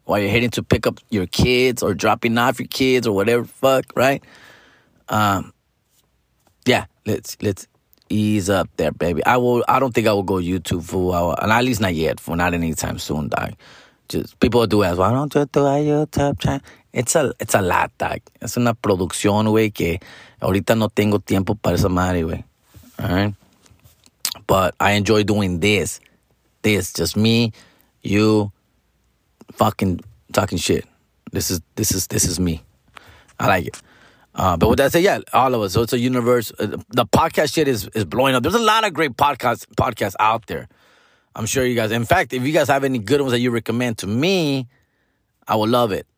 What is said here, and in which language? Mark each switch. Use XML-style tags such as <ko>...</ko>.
<en>While you're heading to pick up your kids or dropping off your kids or whatever the fuck, right? Yeah, let's ease up there, baby. I don't think I will go YouTube, fool. And at least not yet, fool. Not anytime soon, dog. Just people do ask, why don't you do a YouTube channel? It's a lot, dog.</en> <es>It's una producción, güey, que ahorita no tengo tiempo para esa madre, güey.</es> <en>All right? But I enjoy doing this. this. Just me, you, fucking talking shit. This is me. I like it. But with that said, yeah, all of us. So it's a universe. The podcast shit is blowing up. There's a lot of great podcasts out there. I'm sure you guys. In fact, if you guys have any good ones that you recommend to me, I will love it.</en>